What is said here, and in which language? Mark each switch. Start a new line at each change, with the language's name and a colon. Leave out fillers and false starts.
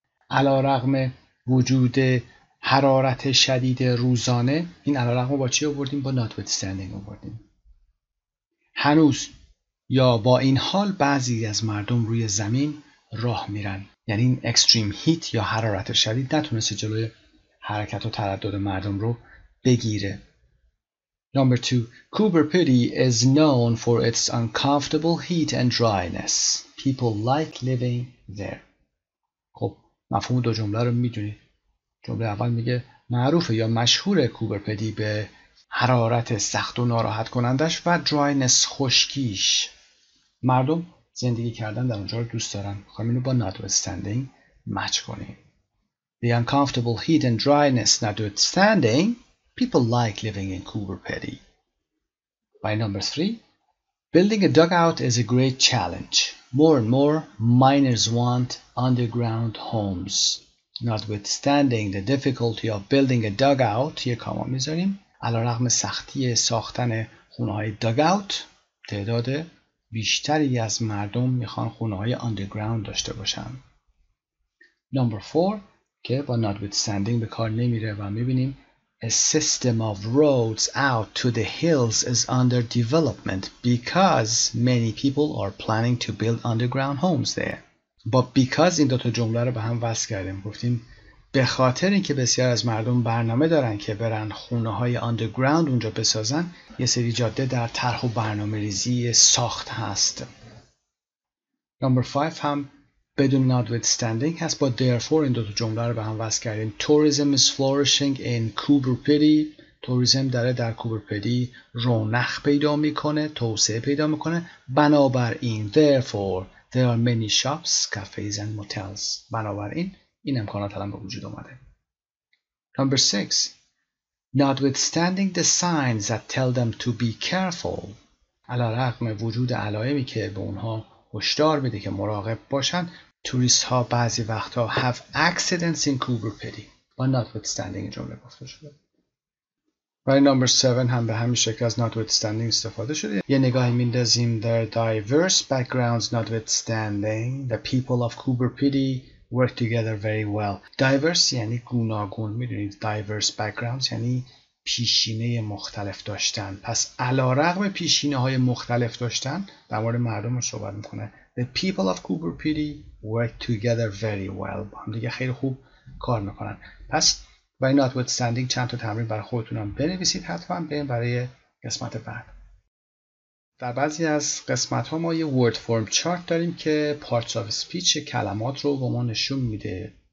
Persian: علارغم وجود حرارت شدید روزانه، این علارغم با چی آوردیم؟ با notwithstanding آوردیم. هنوز یا با این حال بعضی از مردم روی زمین راه میرن، یعنی این اکستریم هیت یا حرارت شدید نتونست جلوی حرکت و تردد مردم رو بگیره.
English: Number 2. Cooper Pedy is known for its uncomfortable heat and dryness. People like living there.
Persian: خب مفهوم دو جمله رو میدونی. جمله اول میگه معروفه یا مشهوره کوبر پدی به حرارت سخت و ناراحت کنندش و dryness خشکیش. مردم زندگی کردن در اونجا رو دوست دارن. خواهیم اینو با notwithstanding match کنیم.
English: The uncomfortable heat and dryness notwithstanding, people like living in Cooper Pedy. By number 3, building a dugout is a great challenge. More and more miners want underground homes. Notwithstanding the difficulty of building a dugout,
Persian: یه کاما میذاریم، علی‌رغم سختی ساختن خونه‌های dugout، تعداد بیشتری از مردم میخوان خونه‌های underground داشته باشن.
English: Number 4,
Persian: که با notwithstanding به کار نمیره و میبینیم
English: a system of roads out to the hills is under development because many people are planning to build underground homes there.
Persian: با because این دو تا جمله رو به هم وصل کردیم، گفتیم به خاطر اینکه بسیار از مردم برنامه دارن که برن خونه های underground اونجا بسازن، یه سری جاده در طرح و برنامه ریزی ساخت هست. Number 5 هم بدون notwithstanding هست، با therefore این دو تا جمله رو به هم وصل کردیم.
English: Tourism is flourishing in Cooper Pedy.
Persian: توریسم داره در کوبر پدی رونق پیدا میکنه، توسعه پیدا میکنه.
English: بنابراین therefore there are many shops, cafes and motels.
Persian: بنابراین این امکانات الان به وجود اومده.
English: Number 6. Notwithstanding the signs that tell them to be careful.
Persian: علارغم وجود علائمی که به اونها هشدار میده که مراقب باشن، توریست ها بعضی وقتها
English: have accidents in Cooper Pedy.
Persian: با notwithstanding جمله گفته شده. برای نمبر 7 هم به همین شکل از notwithstanding استفاده شده. یه نگاهی میندازیم
English: their diverse backgrounds notwithstanding the people of Cooper Pedy work together very well.
Persian: Diverse یعنی گوناگون، میدونید diverse backgrounds یعنی پیشینه مختلف داشتن. پس علارغم پیشینه های مختلف داشتن، در مورد مردم رو صحبت میکنه.
English: The people of Cooper Pedy work together very well.
Persian: با هم دیگه خیلی خوب کار میکنن. پس برای notwithstanding چند تا تمرین برای خودتونم بنویسید، حتما بریم برای قسمت بعد. در بعضی از قسمت ها ما یه word form chart داریم که parts of speech کلمات رو به ما نشون میده.